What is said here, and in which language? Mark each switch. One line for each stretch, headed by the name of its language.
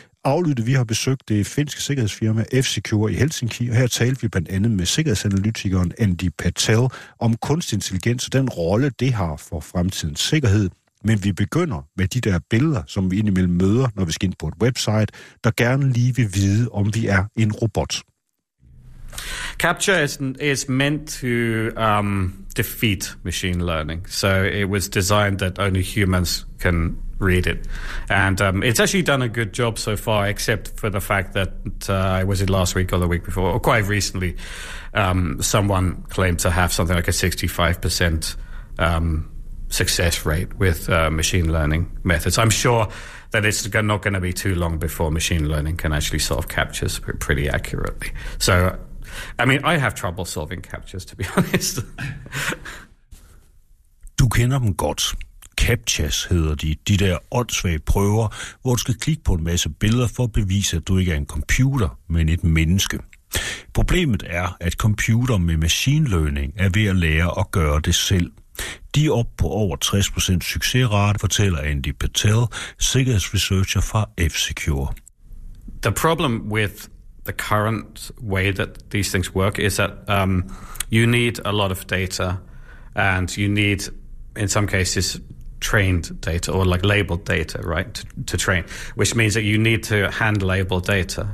Danish: Aflyttet, vi har besøgt det finske sikkerhedsfirma F-Secure i Helsinki, og her talte vi blandt andet med sikkerhedsanalytikeren Andy Patel om kunstig intelligens og den rolle, det har for fremtidens sikkerhed. Men vi begynder med de der billeder, som vi indimellem møder, når vi skal ind på et website, der gerne lige vil vide, om vi er en robot.
English: Capture is meant to defeat machine learning. So it was designed that only humans can read it. And it's actually done a good job so far, except for the fact that, was it last week or the week before, or quite recently, someone claimed to have something like a 65% success rate with machine learning methods. I'm sure that it's not going to be too long before machine learning can actually solve captures pretty accurately. So, I mean, I have trouble solving captures, to be honest.
Danish: Du kender dem godt. Captchas hedder de, de der åndssvage prøver, hvor du skal klikke på en masse billeder for at bevise, at du ikke er en computer, men et menneske. Problemet er, at computer med machine learning er ved at lære at gøre det selv. De er op på over 60% succesrate, fortæller Andy Patel, sikkerhedsresearcher fra F-Secure.
English: The problem with the current way that these things work is that you need a lot of data, and you need, in some cases, trained data or like labeled data, right, to train, which means that you need to hand label data.